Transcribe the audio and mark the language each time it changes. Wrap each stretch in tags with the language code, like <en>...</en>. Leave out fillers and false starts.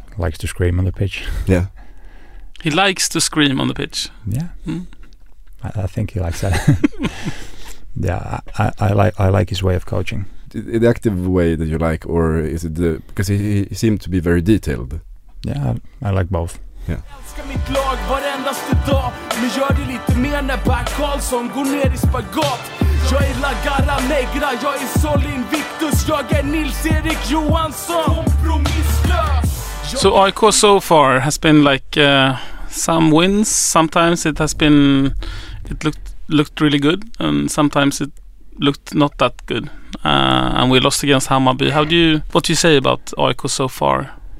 <en>Likes to scream on the pitch. Yeah. He likes to scream on the pitch. Yeah. Mm. I think he likes that. Yeah, I like his way of coaching. The active way that you like, or is it the... Because he seemed to be very detailed. Yeah, I like both. Yeah.</en> <sv>Jag älskar mitt lag varendaste dag, men gör det lite mer när Per Karlsson går ner i spagat. Jag är La Garra Negra, jag är Sol Invictus, jag är Nils-Erik Johansson. Kompromisslös.</sv> <en>So IK so far has been like some wins. Sometimes it has been... It looked really good, and sometimes it looked not that good, and we lost against Hammarby. What do you say about Oiko so far?</en>